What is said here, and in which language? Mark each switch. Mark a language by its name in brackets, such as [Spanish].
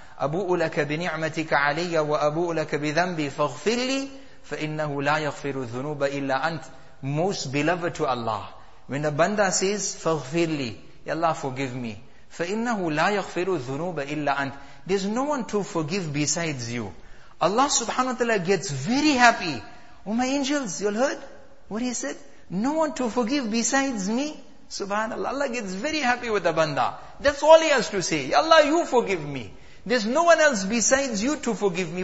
[Arabic] أبوء لك بنعمتك علي وأبوء لك بذنبي فاغفر لي فإنه لا يغفر الذنوب إلا أنت. [English] Most beloved to Allah. When a banda says, [Arabic] فاغفر لي, [English] يا الله forgive me. [Arabic] فإنه لا يغفر الذنوب إلا أنت. [English] There's no one to forgive besides you. Allah subhanahu wa ta'ala gets very happy. Oh my angels, you all heard what he said? No one to forgive besides me. Subhanallah. Allah gets very happy with a banda. That's all he has to say. Ya Allah, you forgive me. There's no one else besides you to forgive me.